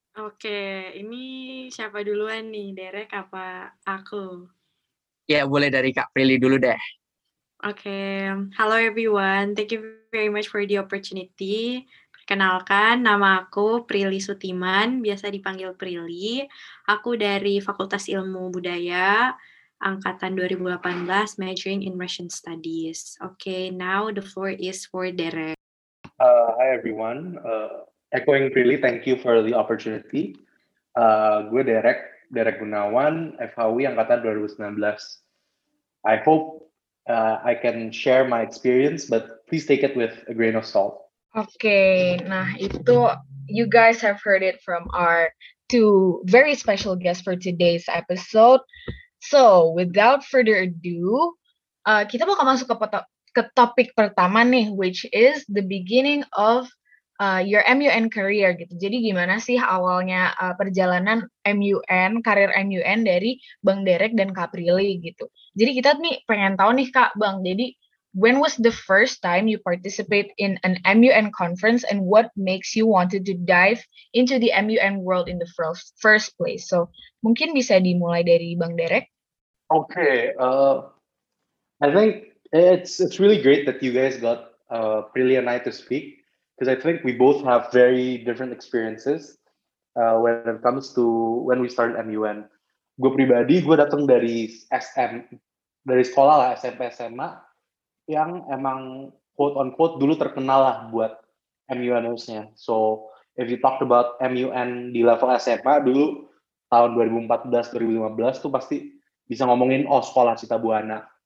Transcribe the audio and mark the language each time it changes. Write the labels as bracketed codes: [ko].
[id] Oke, ini siapa duluan nih, Derek apa aku? Ya, boleh dari Kak Prilly dulu deh. [en] Oke, hello everyone, thank you very much for the opportunity. [id] Perkenalkan, nama aku Prilly Sutiman, biasa dipanggil Prilly. Aku dari Fakultas Ilmu Budaya, Angkatan 2018, [en] majoring in Russian Studies. Oke, now the floor is for Derek. Hi everyone. Echoing Prilly, thank you for the opportunity. [id] Gue Derek Gunawan, FHUI Angkatan 2019. [en] I hope I can share my experience, but please take it with a grain of salt. Okay, [id] nah itu [en] you guys have heard it from our two very special guests for today's episode. So, without further ado, [id] kita bakal masuk ke topik pertama nih, [en] which is the beginning of your MUN career gitu. [id] Jadi gimana sih awalnya perjalanan MUN, karir MUN dari Bang Derek dan Kak Prilly gitu. Jadi kita nih pengen tahu nih Kak Bang, jadi [en] when was the first time you participate in an MUN conference and what makes you wanted to dive into the MUN world in the first place? [id] So mungkin bisa dimulai dari Bang Derek. [en] Okay, I think it's really great that you guys got Prilly and I to speak. Because I think we both have very different experiences when it comes to when we started MUN. [id] Gue pribadi, gue datang dari SM, dari sekolah lah, SMP SMA, yang emang quote-unquote dulu terkenal lah buat MUN-nya. [en] So, if you talked about [id] MUN di level SMA dulu, tahun 2014-2015 tuh pasti bisa ngomongin, oh sekolah Cita Buana.